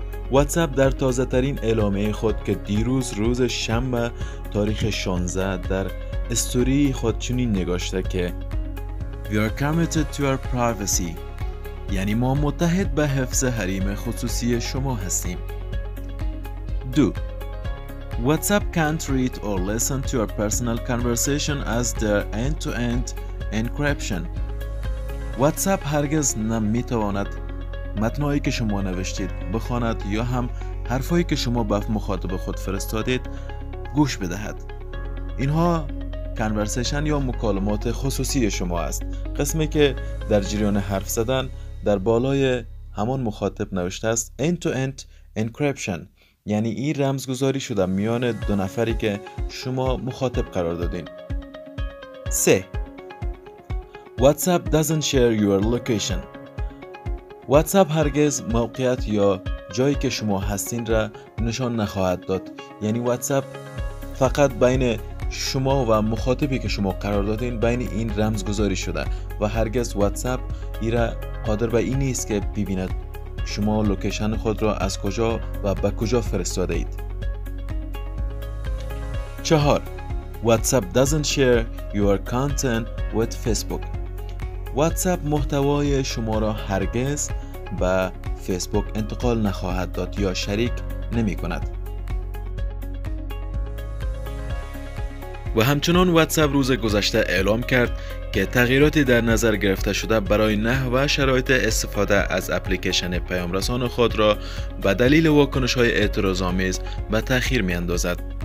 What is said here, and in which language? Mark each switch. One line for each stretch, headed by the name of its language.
Persian: واتساپ در تازه ترین اعلامیه خود که دیروز روز شنبه تاریخ 16 در استوری خود چنین نگاشته که
English: We are committed to our privacy،
Persian: یعنی ما متحد به حفظ حریم خصوصی شما هستیم. 2.
English: WhatsApp can't read or listen to your personal conversation as their end-to-end encryption.
Persian: WhatsApp هرگز نمیتواند متنایی که شما نوشتید بخواند یا هم حرفایی که شما به مخاطب خود فرستادید گوش بدهد. اینها کانورسیشن یا مکالمات خصوصی شما است، قسمی که در جریان حرف زدن در بالای همان مخاطب نوشته است end-to-end encryption، یعنی این رمزگذاری شده میان دو نفری که شما مخاطب قرار دادین. 3.
English: WhatsApp doesn't share your location.
Persian: WhatsApp هرگز موقعیت یا جایی که شما هستین را نشان نخواهد داد، یعنی WhatsApp فقط بین شما و مخاطبی که شما قرار دادین بین این رمزگذاری شده و هرگز واتساپ ای را قادر به این نیست که ببیند شما لوکیشن خود را از کجا و به کجا فرستاده اید. 4.
English: WhatsApp doesn't share your content with Facebook.
Persian: واتساپ محتوای شما را هرگز به فیسبوک انتقال نخواهد داد یا شریک نمی کند. و همچنان واتساپ روز گذشته اعلام کرد که تغییراتی در نظر گرفته شده برای نحو و شرایط استفاده از اپلیکیشن پیام‌رسان خود را به دلیل واکنش‌های اعتراض‌آمیز به تأخیر می‌اندازد.